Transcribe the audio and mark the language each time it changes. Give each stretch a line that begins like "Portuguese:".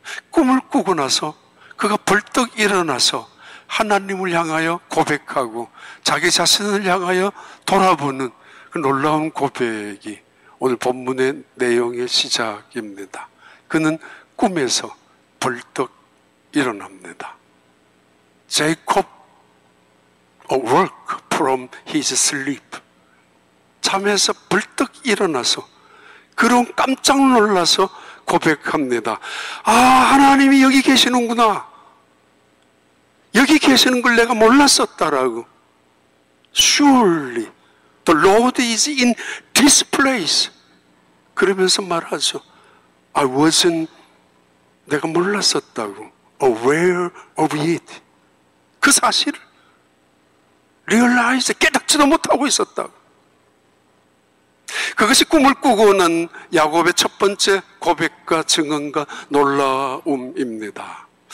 Korean: 꿈을 꾸고 나서 그가 벌떡 일어나서 하나님을 향하여 고백하고 자기 자신을 향하여 돌아보는 그 놀라운 고백이 오늘 본문의 내용의 시작입니다. 그는 꿈에서 벌떡 일어납니다.
English: Jacob awoke from his sleep.
Korean: 잠에서 벌떡 일어나서 그런 깜짝 놀라서 고백합니다. 아, 하나님이 여기 계시는구나. 여기 계시는 걸 내가 몰랐었다라고.
English: Surely the Lord is in this place.
Korean: 그러면서 말하죠.
English: I wasn't,
Korean: 내가 몰랐었다고.
English: Aware of it.
Korean: 그 사실을 realize, 깨닫지도 못하고 있었다고. 그것이 꿈을 꾸고 난 야곱의 첫 번째 고백과 증언과 놀라움입니다.